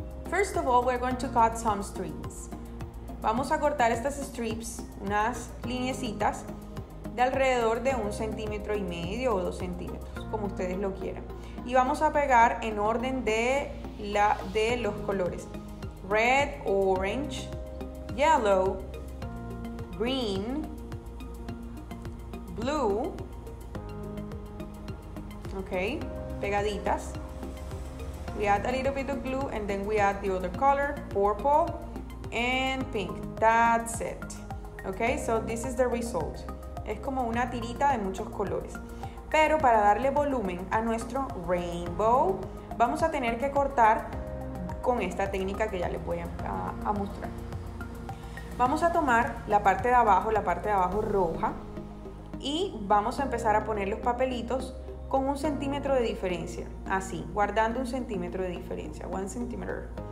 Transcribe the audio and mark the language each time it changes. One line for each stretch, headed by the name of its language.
English: First of all, we're going to cut some strings.
Spanish: Vamos a cortar estas strips, unas lineecitas, de alrededor de 1.5 centímetros o 2 centímetros, como ustedes lo quieran. Y vamos a pegar en orden de los colores.
English: Red, orange, yellow, green, blue, okay, pegaditas. We add a little bit of glue and then we add the other color, purple and pink. That's it. Okay, so this is the result.
Spanish: Es como una tirita de muchos colores. Pero para darle volumen a nuestro rainbow, vamos a tener que cortar con esta técnica que ya les voy a mostrar. Vamos a tomar la parte de abajo roja y vamos a empezar a poner los papelitos con 1 centímetro de diferencia, así, guardando 1 centímetro de diferencia,
English: 1 centimeter.